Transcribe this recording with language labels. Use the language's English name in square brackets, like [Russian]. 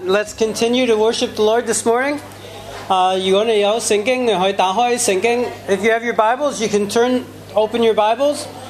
[English] Let's continue to worship the Lord this morning. [Chinese] 如果你有圣经，你可以打开圣经。 [English] If you have your Bibles, you can turn open your Bibles.